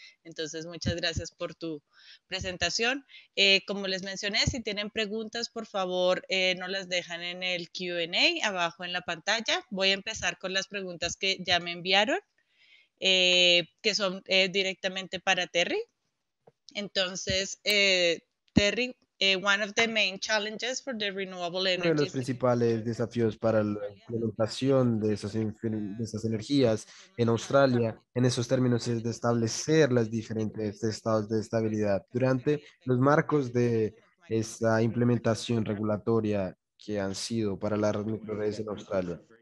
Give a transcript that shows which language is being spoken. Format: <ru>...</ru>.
<es>Entonces, muchas gracias por tu presentación. Como les mencioné, si tienen preguntas, por favor, no las dejan en el Q&A abajo en la pantalla. Voy a empezar con las preguntas que ya me enviaron, que son directamente para Terry. Entonces,</es> <en>Terry, one of the main challenges for the renewable energy.</en> <es>Uno de los principales desafíos para la implementación de esas energías en Australia, en esos términos, es de establecer los diferentes estados de estabilidad durante los marcos de esa implementación regulatoria que han sido para las nucleares en Australia.</es>